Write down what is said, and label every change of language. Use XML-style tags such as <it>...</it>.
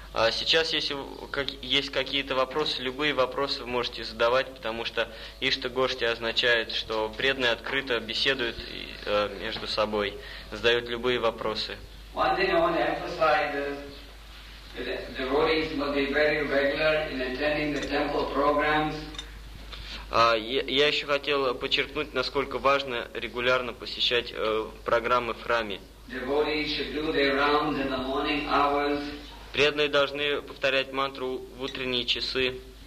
<ru>Сейчас, если есть какие-то вопросы, любые вопросы вы можете задавать, потому что Ишта-гоштхи означает, что преданные открыто беседуют между собой, задают любые вопросы.</ru> <en>One thing I want to emphasize is that devotees must be very regular in attending the temple programs.</en> <ru>Я еще хотел подчеркнуть, насколько важно регулярно посещать программы в храме.</ru> <en>Devotees should do their rounds in the morning hours.</en> <ru>Преданные должны повторять мантру в утренние часы.</ru>